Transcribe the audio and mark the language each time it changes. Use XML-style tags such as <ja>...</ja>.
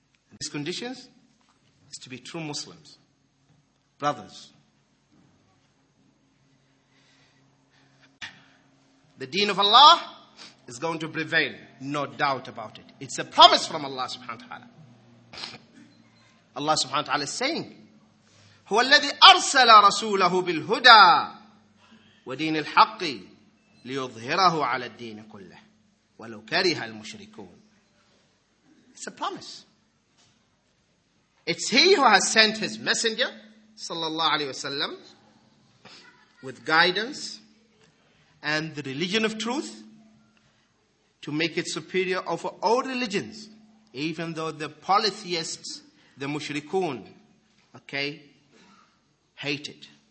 <en>And these conditions is to be true Muslims, brothers. The deen of Allah is going to prevail, no doubt about it. It's a promise from Allah subhanahu wa ta'ala. Allah subhanahu wa ta'ala is saying,</en> <ar>هو الذي أرسل رسوله بالهدى ودين الحق ليظهره على الدين كله ولو كره المشركون.</ar> <en>It's a promise. It's He who has sent His messenger, sallallahu alayhi wa sallam, with guidance and the religion of truth to make it superior over all religions, even though the polytheists, the mushrikun, okay, hate it.</en>